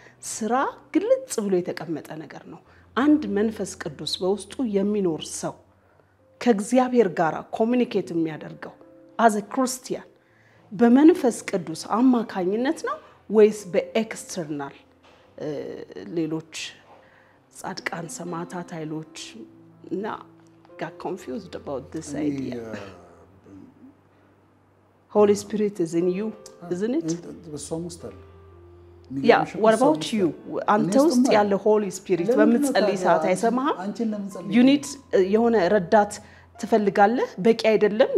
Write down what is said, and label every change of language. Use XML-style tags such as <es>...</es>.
<am>ስራ ግልጽ ብሎ የተቀመጠ ነገር ነው። አንድ መንፈስ ቅዱስ በውስጡ የሚኖር ሰው ከእግዚአብሔር ጋር ኮሚኒኬት የሚያደርገው አዘ ክርስቲያን በመንፈስ ቅዱስ አማካኝነት ነው ወይስ በኤክስተርናል ሌሎች ጻድቃን ሰማዕታት ኃይሎች?</am> <en>እና got confused about this idea. Holy Spirit is in you, isn't it?</en> <am>በሷም ውስጥ አለ።</am> <en>Yeah, what about you?</en> <am>አንተ ውስጥ ያለ ሆሊ ስፒሪት በምትጸልይ ሰዓት አይሰማህም? አንቺን ለምትጸልይ</am> <en>you need</en> <am>የሆነ ረዳት ትፈልጋለህ? በቂ አይደለም?</am>